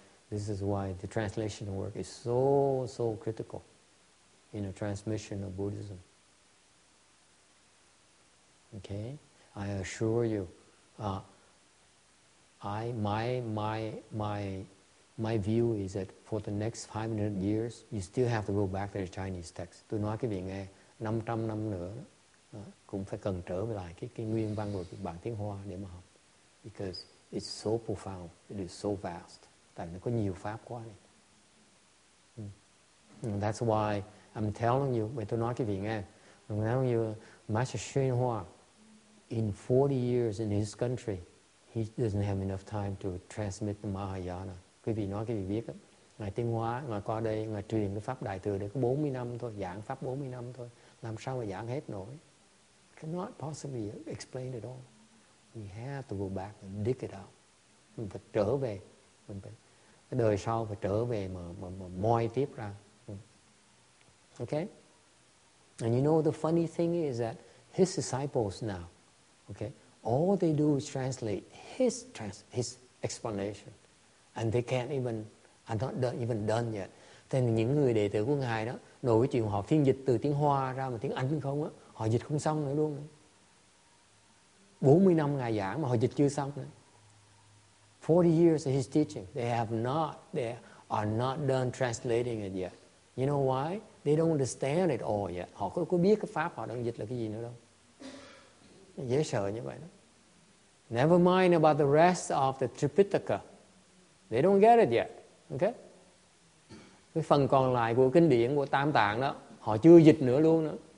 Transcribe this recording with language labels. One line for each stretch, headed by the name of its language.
English: This is why the translation work is so critical in the transmission of Buddhism. Okay, I assure you, my view is that for the next 500 years, you still have to go back to the Chinese text.
Vietnamese: Tôi nói cái vị nghe 500 năm nữa cũng phải cần trở lại cái nguyên văn của bản tiếng Hoa để mà học,
English: because it's so profound, it is so vast.
Vietnamese: Tại nó có nhiều pháp quá.
English: That's why I'm telling you,
Vietnamese: tôi nói cái vị nghe,
English: I'm telling you, Master Xuyên Hoa, in 40 years in his country, he doesn't have enough time to transmit the Mahayana.
Vietnamese: Quý vị nói, quý vị biết, ngài Tiên Hóa, ngài qua đây, ngài truyền cái pháp Đại Thừa được có 40 năm thôi, giảng pháp 40 năm thôi, làm sao mà giảng hết nổi?
English: Cannot possibly explain it all. We have to go back and dig it out.
Vietnamese: Mình phải trở về, mình phải cái đời sau phải trở về mà moi tiếp ra.
English: Okay? And you know the funny thing is that his disciples now, okay, all they do is translate his explanation, and they can't even, are not done, even done yet.
Vietnamese: Thế nên những người đệ tử của ngài đó, nổi cái chuyện họ phiên dịch từ tiếng Hoa ra mà tiếng Anh không á, họ dịch không xong nữa luôn. 40 năm ngài giảng mà họ dịch chưa xong nữa.
English: 40 years of his teaching, they are not done translating it yet. You know why? They don't understand it all yet.
Vietnamese: Họ có biết cái pháp họ đang dịch là cái gì nữa đâu. Dễ sợ như vậy đó.
English: Never mind about the rest of the Tripitaka. They don't get it yet. Okay?
Vietnamese: Cái phần còn lại của kinh điển của Tam Tạng đó, họ chưa dịch nữa luôn nữa.